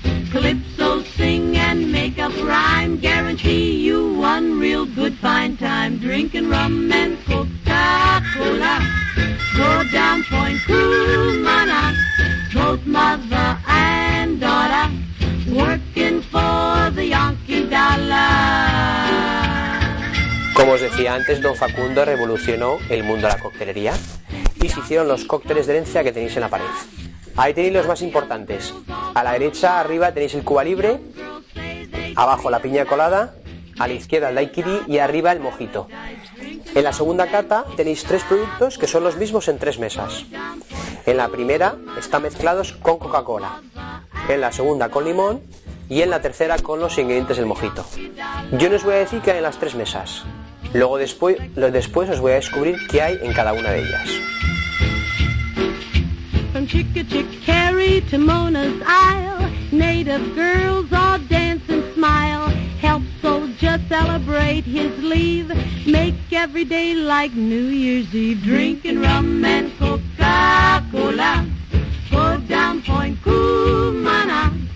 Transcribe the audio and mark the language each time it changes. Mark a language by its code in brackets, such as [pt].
[en] Calypso sing and make up rhyme, guarantee you one real good fine time. Drinking rum and Coca-Cola, go down Point Cumana. Both mother and daughter working for the Yankee Dollar. [es] Como os decía antes, Don Facundo revolucionó el mundo de la coctelería y se hicieron los cócteles de herencia que tenéis en la pared. Ahí tenéis los más importantes. A la derecha, arriba, tenéis el Cuba Libre, abajo la Piña Colada, a la izquierda el daiquiri y arriba el mojito. En la segunda cata tenéis tres productos que son los mismos en tres mesas. En la primera están mezclados con Coca-Cola, en la segunda con limón y en la tercera con los ingredientes del mojito. Yo no os voy a decir qué hay en las tres mesas, luego después os voy a descubrir qué hay en cada una de ellas. [en] From Chick-a-Chick-Carry to Mona's Isle, Native girls all dance and smile. Help soldiers celebrate his leave, make every day like New Year's Eve. Drinking rum and Coca-Cola, go down Point Cumana.